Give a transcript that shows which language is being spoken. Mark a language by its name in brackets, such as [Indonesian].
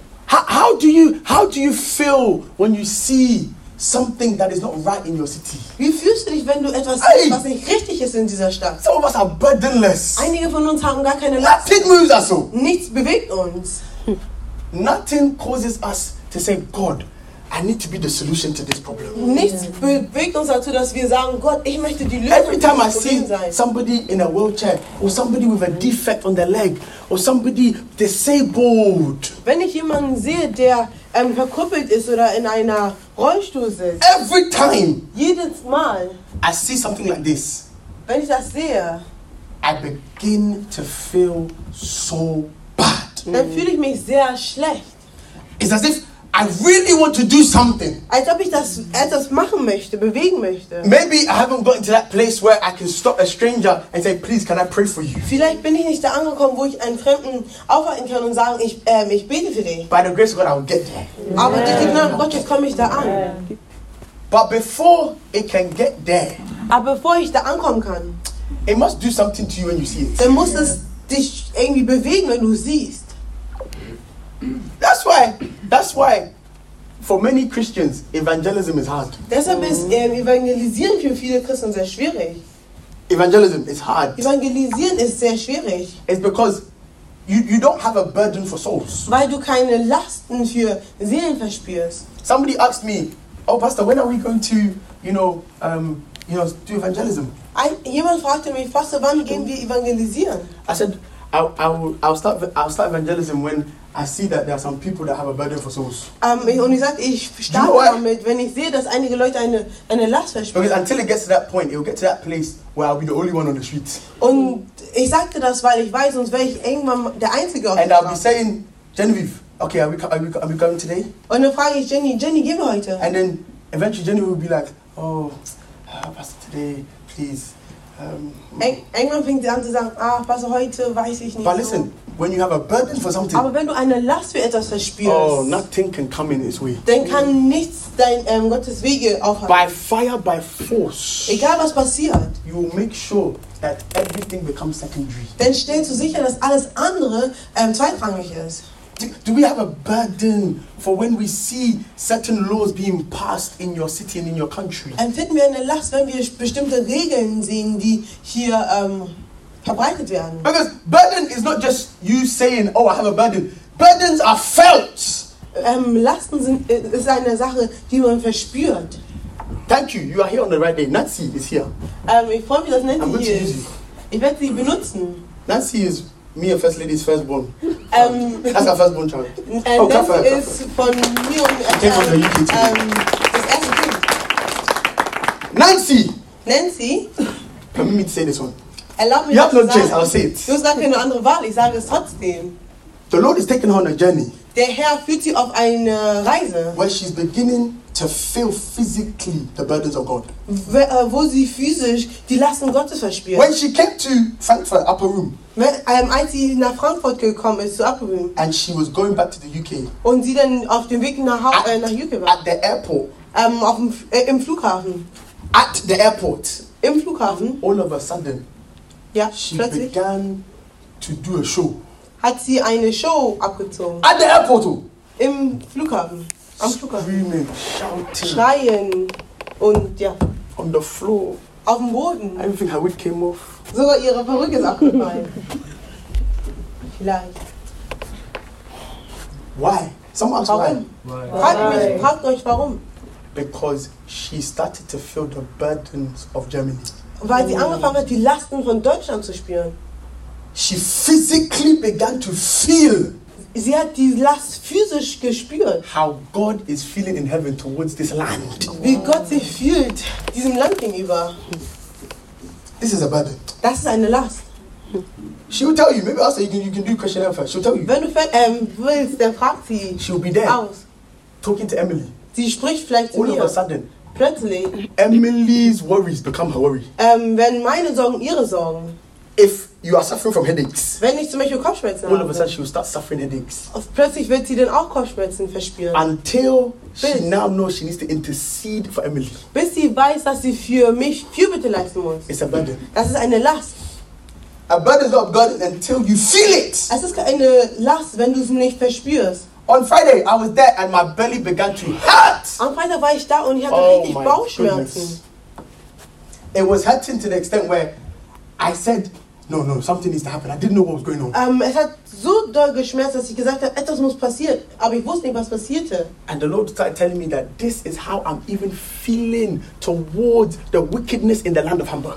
[English] How do you feel when you see something that is not right in your city? [German] Wie fühlst du dich, wenn du etwas siehst, was nicht richtig ist in dieser Stadt? [English] Some of us are burdenless. [German] Einige von uns haben gar keine [English] Last. Nothing moves us. [German] Nichts bewegt uns. [English] Nothing causes us to say, God, I need to be the solution to this problem. [German] Nichts bewegt uns dazu, dass wir sagen, Gott, ich möchte die Lösung. [English] Every time I see somebody in a wheelchair or somebody with a defect on their leg or somebody disabled. [German] Wenn ich jemanden sehe, der verkrüppelt ist oder in einer Rollstuhl sitzt. [English] Every time. [German] Jedes Mal. [English] I see something like this. [German] Wenn ich das sehe, [English] I begin to feel so bad. [German] Dann fühle ich mich sehr schlecht. [English] It's as if I really want to do something. [German] Als ob ich das etwas machen möchte, bewegen möchte. [English] Maybe I haven't gotten to that place where I can stop a stranger and say, please, can I pray for you? [German] Vielleicht bin ich nicht da angekommen, wo ich einen Fremden aufhalten kann und sagen, ich bete für dich. [English] By the grace of God, I'll get there. Yeah. [German] Aber durch die Gnade Gottes komme ich da an. [English] But before it can get there, [German] aber bevor ich da ankommen kann, [English] it must do something to you when you see it. [German] Dann muss es dich irgendwie bewegen, wenn du siehst. [English] That's why, for many Christians, evangelism is hard. [German] Deshalb ist Evangelisieren für viele Christen sehr schwierig. [English] Evangelism is hard. [German] Evangelisieren ist sehr schwierig. [English] It's because you don't have a burden for souls. [German] Weil du keine Lasten für Seelen verspürst. [English] Somebody asked me, "Oh, Pastor, when are we going to, you know, do evangelism?" [German] Jemand fragte mich, Pastor, wann gehen wir evangelisieren? [English] I said, I'll start evangelism when I see that there are some people that have a burden for souls. [German] Und ich sage, ich starte damit, wenn ich sehe, dass einige Leute eine Last verspüren. [English] Because until it gets to that point, it will get to that place where I'll be the only one on the street. [German] Und ich sagte das, weil ich weiß, sonst wäre ich irgendwann der Einzige auf der Straße. [English] And I'll be saying, Genevieve, okay, are we going today? [German] Und dann frage ich Jenny, gehen wir heute? [English] And then eventually Jenny will be like, oh, Pastor, today, please. [German] Irgendwann fängt sie an zu sagen, ah, was heute weiß ich nicht. [English] But listen, when you have a burden for something, [German] aber wenn du eine Last für etwas verspürst, [English] oh, nothing can come in its way. [German] Dann kann nichts dein Gottes Wege aufhalten. [English] By fire, by force. [German] Egal was passiert, [English] you make sure that everything becomes secondary. [German] Dann stellst du sicher, dass alles andere zweitrangig ist. [English] Do we have a burden for when we see certain laws being passed in your city and in your country? [German] Empfinden wir eine Last, wenn wir bestimmte Regeln sehen, die hier verbreitet werden? [English] Because burden is not just you saying, "Oh, I have a burden." Burdens are felt. [German] Lasten ist eine Sache, die man verspürt. [English] Thank you. You are here on the right day. Nancy is here. [German] Ich freue mich, dass Nancy hier ist. Ich werde sie benutzen. [English] Nancy is me and First Lady's firstborn. That's our firstborn child. And oh, Kaffa. Is from me and came from the UK too. Nancy! Nancy? Permit me to say this one. Allow me you have no choice, I'll say it. [German] Du hast gar keine andere Wahl, ich sage es trotzdem. [English] The Lord is taking her on a journey. [German] Der Herr führt sie auf eine Reise. [English] Where she's beginning to feel physically the burdens of God. [German] Wo sie physisch die Lasten Gottes verspürt. [English] When she came to Frankfurt, Upper Room. [German] Als sie nach Frankfurt gekommen ist, zu Upper Room. [English] And she was going back to the UK. [German] Und sie dann auf dem Weg nach UK war. [English] At the airport. [German] Im Flughafen. [English] At the airport. [German] Im Flughafen. [English] All of a sudden. [German] Ja, [English] she [German] plötzlich. [English] She began to do a show. [German] Hat sie eine Show abgezogen. [English] At the airport. [German] Im Flughafen. Am Flughafen. [English] Screaming, shouting. [German] Schreien. Und ja. [English] On the floor. [German] Auf dem Boden. [English] Everything her wig came off. [German] Sogar ihre Perücke ist abgefallen. Vielleicht. [English] Why? Someone ask why. [German] Fragt euch warum. [English] Because she started to feel the burdens of Germany. [German] Weil sie angefangen hat, die Lasten von Deutschland zu spüren. [English] She physically began to feel. [German] Sie hat die Last physisch gespürt. [English] How God is feeling in heaven towards this land. [German] Wie Gott sich fühlt diesem Land gegenüber. [English] This is a burden. [German] Das ist eine Last. [English] She will tell you. Maybe also you can do questionnaire first. She'll tell you. [German] Wenn du willst, dann fragt sie. [English] She'll be there. Aus. Talking to Emily. [German] Sie spricht vielleicht zu [English] all [German] mir. [English] All of a sudden. [German] Plötzlich. [English] Emily's worries become her worry. [German] Wenn meine Sorgen ihre Sorgen. [English] If you are suffering from headaches. [German] Wenn ich zum Beispiel Kopfschmerzen habe. [English] All of a sudden she will start suffering headaches. [German] Plötzlich wird sie dann auch Kopfschmerzen verspüren. [English] Until she now knows she needs to intercede for Emily. [German] Bis sie weiß, dass sie für mich Fürbitte leisten muss. [English] It's a burden. [German] Das ist eine Last. [English] A burden is not burden until you feel it. [German] Es ist keine Last, wenn du es nicht verspürst. [English] On Friday I was there and my belly began to hurt. [German] Am Freitag war ich da und ich hatte richtig Bauchschmerzen. [English] Goodness. It was hurting to the extent where I said, no, something needs to happen. I didn't know what was going on. [German] Es hat so doll geschmerzt, dass ich gesagt habe, etwas muss passieren. Aber ich wusste nicht, was passierte. [English] And the Lord started telling me that this is how I'm even feeling towards the wickedness in the land of Hamburg.